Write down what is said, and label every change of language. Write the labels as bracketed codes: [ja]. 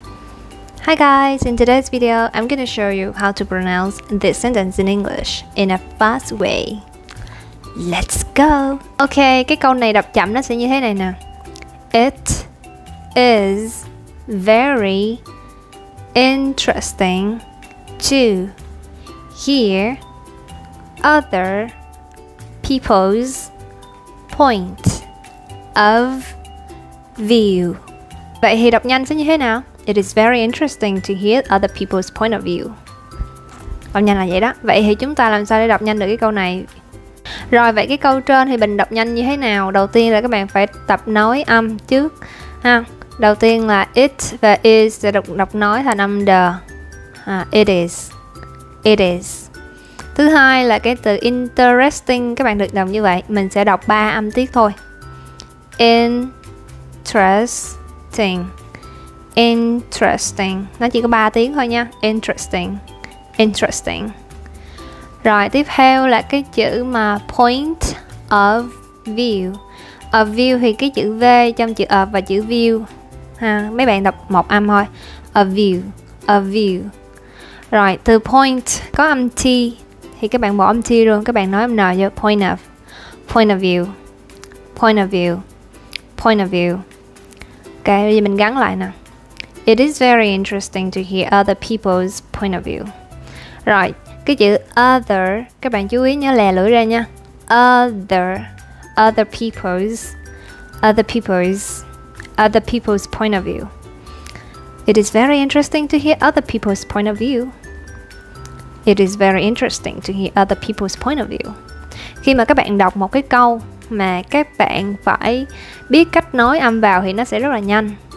[en] Hi guys, in today's video, I'm going to show you how to pronounce this sentence in English in a fast way. Let's go! [vi] Okay, cái câu này đọc chậm nó sẽ như thế này nè. [en] It is very interesting to hear other people's point of view. [vi] Vậy thì đọc nhanh sẽ như thế nào? [en] It is very interesting to hear other people's point of view. [vi] Đọc nhanh là vậy đó. Vậy thì chúng ta làm sao để đọc nhanh được cái câu này? Rồi, vậy cái câu trên thì mình đọc nhanh như thế nào? Đầu tiên là các bạn phải tập nói âm trước ha. Đầu tiên là it và is sẽ đọc nói thành âm d. [en] It is. It is. [vi] Thứ hai là cái từ interesting, các bạn được đọc như vậy. Mình sẽ đọc 3 âm tiết thôi. Interesting. Interesting. Nó chỉ có 3 tiếng thôi nha. Interesting. Interesting. Rồi, tiếp theo là cái chữ mà [en] point of view. [vi] Of view thì cái chữ V trong chữ of và chữ view ha. Mấy bạn đọc một âm thôi. [en] Of view. Of view. [vi] Rồi, từ point có âm T thì các bạn bỏ âm T luôn, các bạn nói âm N vô. [en] Point of. Point of view. Point of view. Point of view. [vi] Ok, bây giờ mình gắn lại nè. [en] It is very interesting to hear other people's point of view. [vi] Rồi, cái chữ other, các bạn chú ý nhớ lè lưỡi ra nha. [en] Other, other people's, other people's, other people's point of view. It is very interesting to hear other people's point of view. It is very interesting to hear other people's point of view. [vi] Khi mà các bạn đọc một cái câu mà các bạn phải biết cách nói âm vào thì nó sẽ rất là nhanh.